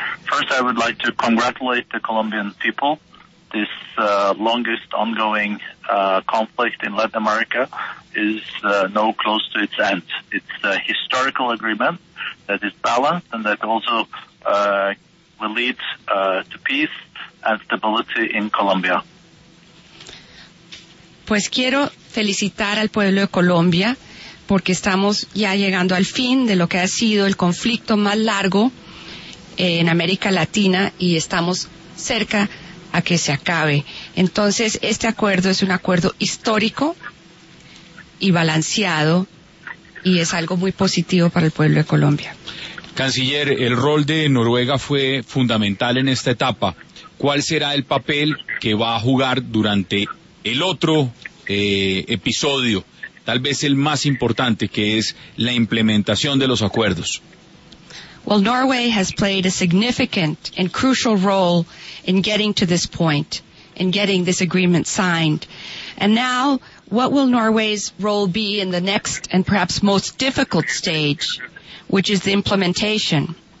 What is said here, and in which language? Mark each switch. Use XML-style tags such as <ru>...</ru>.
<en>First, I would like to congratulate the Colombian people. This longest ongoing conflict in Latin America is no close to its end. It's a historical agreement that is balanced and that also will lead to peace and stability in Colombia.</en> <es>Pues quiero felicitar al pueblo de Colombia porque estamos ya llegando al fin de lo que ha sido el conflicto más largo en América Latina y estamos cerca a que se acabe. Entonces, este acuerdo es un acuerdo histórico y balanceado y es algo muy positivo para el pueblo de Colombia. Canciller, el rol de Noruega fue fundamental en esta etapa. ¿Cuál será el papel que va a jugar durante el otro episodio, tal vez el más importante, que es la implementación de los acuerdos?</es> <en>Well, Norway has played a significant and crucial role in getting to this point, in getting this agreement signed. And now, what will Norway's role be in the next and perhaps most difficult stage, which is the implementation?</en>